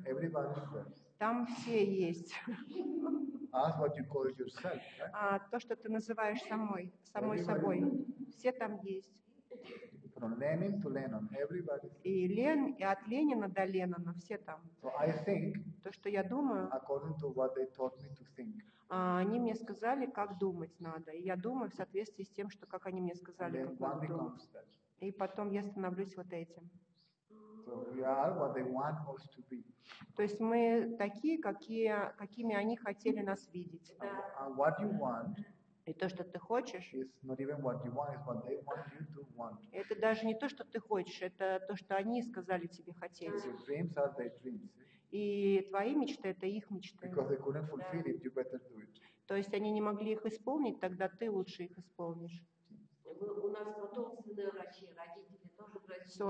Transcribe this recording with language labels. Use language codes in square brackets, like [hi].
[en] Everybody is there. [ru] Там все есть. [en] Ask what you call yourself, right? [ru] То, что ты называешь самой собой, все там есть. [en] From Lenin to Lennon, everybody. [ru] И от Ленина до Леннона, все там. [en] So I think, [ru] то, что я думаю, [en] according to what they taught me to think. [ru] Они мне сказали, как думать надо, и я думаю в соответствии с тем, что как они мне сказали, как надо думать. И потом я становлюсь вот этим. [en] So we are what they want us to be. [ru] То есть мы такие, какими они хотели нас видеть. [en] And what you want, [ru] И то, что ты хочешь, [en] is not even what you want, it's what they want you to want. [ru] Это даже не то, что ты хочешь, это то, что они сказали тебе хотеть. [en] Your dreams are their dreams. [ru] И твои мечты — это их мечты. [en] Because they couldn't fulfill it, you better do it. [ru] То есть они не могли их исполнить, тогда ты лучше их исполнишь. У нас потом сыны врачи, родители тоже врачи.